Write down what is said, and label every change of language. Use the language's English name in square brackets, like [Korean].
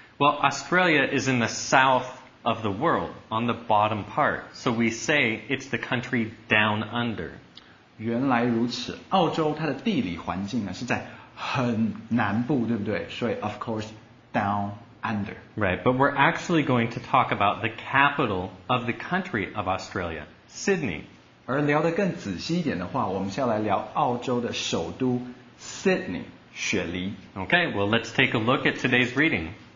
[English] Well, Australia is in the south of the world, on the bottom part. So we say it's the country down under. [Chinese] 原来如此，澳洲它的地理环境呢是在很南部，对不对？所以 [English] of course, down under. Right, but we're actually going to talk about the capital of the country of Australia, Sydney. [Chinese] 而聊得更仔细一点的话，我们先来聊澳洲的首都 Sydney。雪梨。 [English] Okay, well, let's take a look at today's reading.